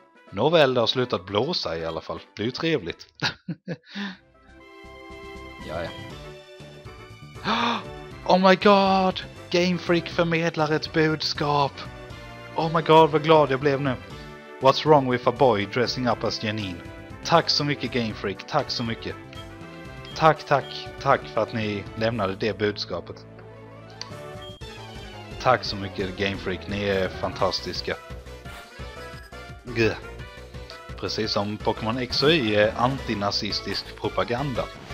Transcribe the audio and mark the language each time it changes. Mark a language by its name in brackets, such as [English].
[Swedish] Nåväl, det har slutat blåsa i alla fall. Det är ju trevligt. Jaja. [English] Oh my god. [Swedish] Game Freak förmedlar ett budskap. [English] Oh my god, [Swedish] vad glad jag blev nu. [English] What's wrong with a boy dressing up as Janine? [Swedish] Tack så mycket Game Freak, tack så mycket. Tack för att ni lämnade det budskapet. Tack så mycket Game Freak, ni är fantastiska. Precis som Pokémon X och Y är antinazistisk propaganda.